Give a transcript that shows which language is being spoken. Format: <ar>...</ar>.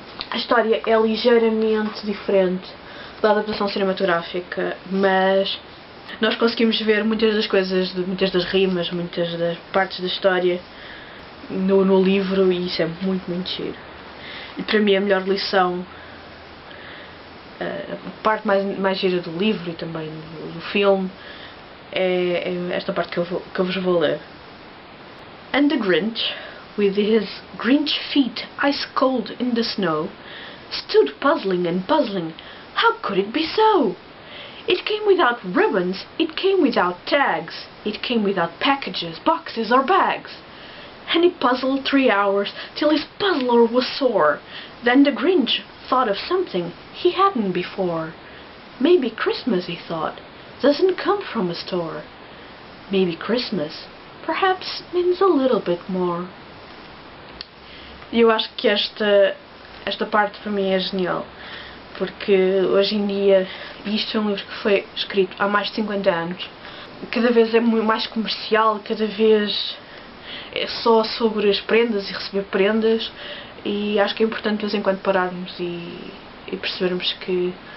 <pt>A história é ligeiramente diferente da adaptação cinematográfica, mas nós conseguimos ver muitas das coisas, muitas das rimas, muitas das partes da história no livro, e isso é muito, muito giro. E para mim a melhor lição, a parte mais gira do livro e também do filme, é esta parte que eu vos vou ler.</pt> <en>And the Grinch, with his Grinch feet ice cold in the snow, stood puzzling and puzzling, how could it be so? It came without ribbons, it came without tags, it came without packages, boxes or bags. And he puzzled 3 hours till his puzzler was sore. Then the Grinch thought of something he hadn't before. Maybe Christmas, he thought, doesn't come from a store. Maybe Christmas perhaps means a little bit more.</en> <pt>Eu acho que esta parte para mim é genial. Porque hoje em dia, e isto é um livro que foi escrito há mais de 50 anos, cada vez é muito mais comercial, cada vez é só sobre as prendas e receber prendas, e acho que é importante de vez em quando pararmos e percebermos que</pt>